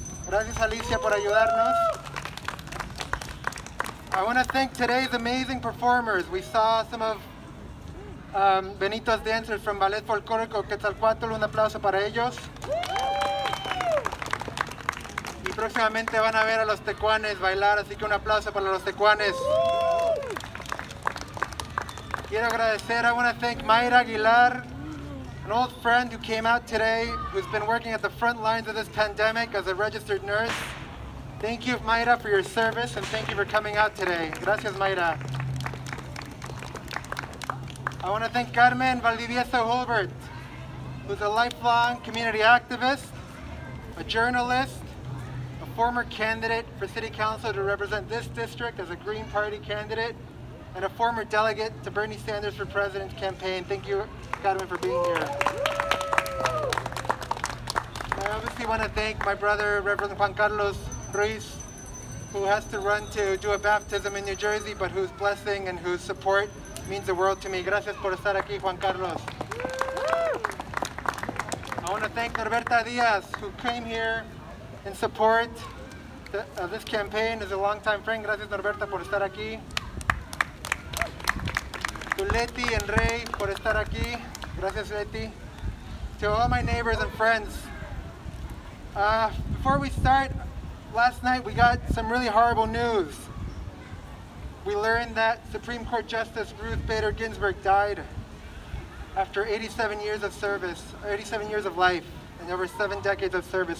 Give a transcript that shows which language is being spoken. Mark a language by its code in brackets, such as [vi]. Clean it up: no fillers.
[es] Gracias, Alicia, por ayudarnos. [en] I want to thank today's amazing performers. We saw some of Benito's dancers from Ballet Folklórico Quetzalcoatl. [es] Un aplauso para ellos. Y próximamente van a ver a los tecuanes bailar, así que un aplauso para los tecuanes. Quiero agradecer, [en] I want to thank Mayra Aguilar, an old friend who came out today, who's been working at the front lines of this pandemic as a registered nurse. Thank you, Mayra, for your service, and thank you for coming out today. [es] Gracias, Mayra. [en] I want to thank Carmen Valdivieso Hulbert, who's a lifelong community activist, a journalist, a former candidate for city council to represent this district as a Green Party candidate, and a former delegate to Bernie Sanders for president's campaign. Thank you, Carmen, for being here. I obviously want to thank my brother, Reverend Juan Carlos Ruiz, who has to run to do a baptism in New Jersey, but whose blessing and whose support means the world to me. [es] Gracias por estar aquí, Juan Carlos. [en] I want to thank Norberta Diaz, who came here in support of this campaign as a longtime friend. [es] Gracias, Norberta, por estar aquí. To Leti and Rey por estar aquí. Gracias, Leti. [en] To all my neighbors and friends. Before we start, last night we got some really horrible news. We learned that Supreme Court Justice Ruth Bader Ginsburg died after 87 years of service, 87 years of life, and over 7 decades of service.